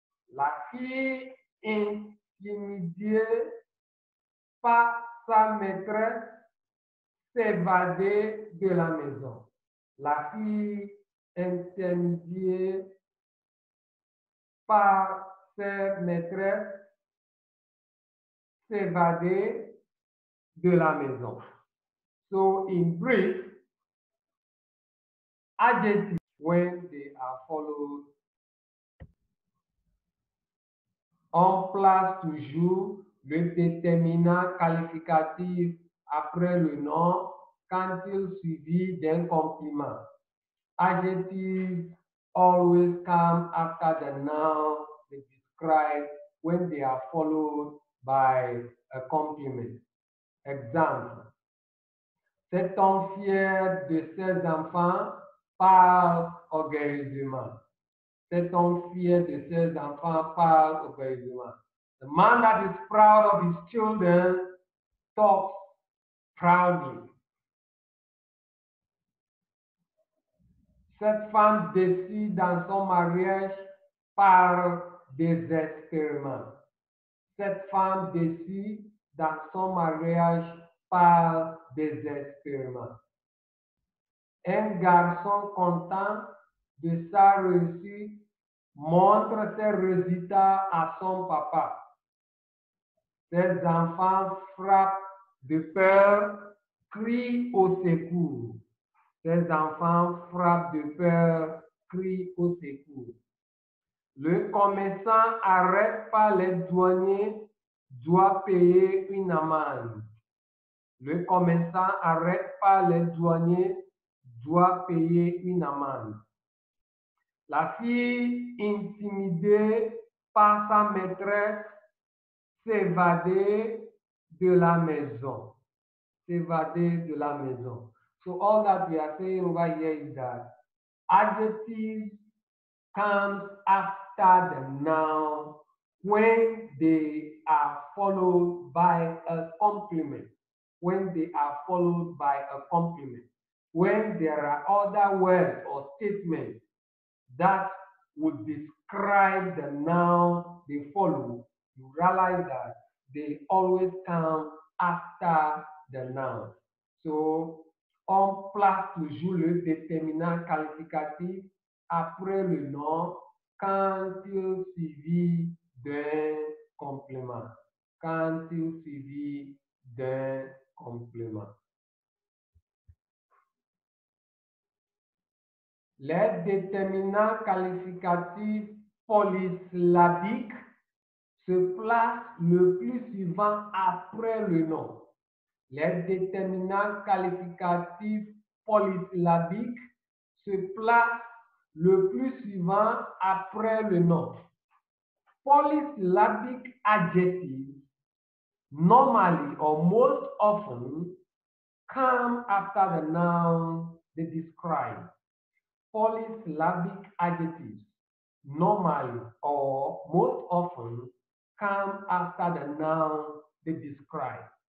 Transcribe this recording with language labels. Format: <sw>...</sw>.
<fr>La fille intimidée par sa maîtresse s'évader de la maison. La fille intimidée par sa maîtresse s'évader de la maison.</fr> <en>So in brief, adjectives when they are followed.</en> <fr>On place toujours le déterminant qualificatif après le nom quand il suivit d'un complément.</fr> <en>Adjectives always come after the noun they describe when they are followed by a compliment.</en> <fr>Exemple. Cet homme fier de ses enfants parle orgueilleusement. Cet homme fier de ses enfants parle orgueilleusement.</fr> <en>The man that is proud of his children talks proudly.</en> <fr>Cette femme déçue dans son mariage parle désespérément. Cette femme déçue dans son mariage parle désespérément. Un garçon content de sa réussite montre ses résultats à son papa. Ses enfants frappent de peur, crient au secours. Ses enfants frappent de peur, crient au secours. Le commerçant arrête par les douaniers doit payer une amende. Le commerçant arrête par les douaniers doit payer une amende. La fille intimidée par sa maîtresse s'évader de la maison. S'évader de la maison.</fr> <en>So all that we are saying over here is that adjectives comes after the noun when they are followed by a complement. When they are followed by a complement. When there are other words or statements that would describe the noun they follow, you realize that they always come after the noun.</en> <fr>So, on place toujours le déterminant qualificatif après le nom quand il suivit d'un complément. Quand il suivit d'un complément. Les déterminants qualificatifs polysyllabiques se placent le plus souvent après le nom. Les déterminants qualificatifs polysyllabiques se placent le plus souvent après le nom.</fr> <en>Polysyllabic adjectives normally or most often come after the noun they describe. Polysyllabic adjectives normally or most often come after the noun they describe.</en>